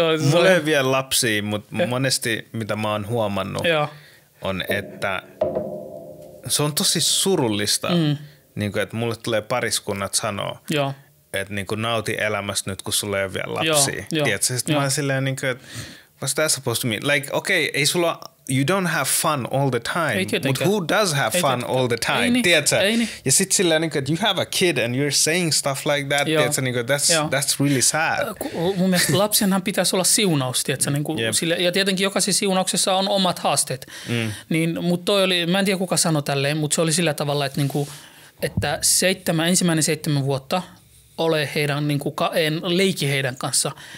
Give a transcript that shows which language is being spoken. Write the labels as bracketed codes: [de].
[fi] Mulla ei vielä lapsia, mutta monesti mitä mä oon huomannut on, että se on tosi surullista, niin kuin, että mulle tulee pariskunnat sanoa, että niin kuin nauti elämästä nyt, kun sulla ei ole vielä lapsia. Tiedätkö? Sitten mä oon silleen, niin kuin, että [en] what's that supposed to mean? Like, [fi] okei, okay, ei sulla... [en] You don't have fun all the time, but who does have fun all the time? [fi] Tiedätkö? Ja sit silleen, niin kuin, että [en] you have a kid and you're saying stuff like that, [fi] tiedätkö? Niin kuin, [en] that's really sad. [fi] Mun mielestä lapsenhan pitäisi olla siunaus, tiedätkö? Niin kuin, sille, ja tietenkin jokaisessa siunauksessa on omat haasteet. Niin, mut toi oli, mä en tiedä kuka sanoi tälleen, mutta se oli sillä tavalla, että, niin kuin, että ensimmäinen seitsemän vuotta ole heidän, niin kuin, en leiki heidän kanssa.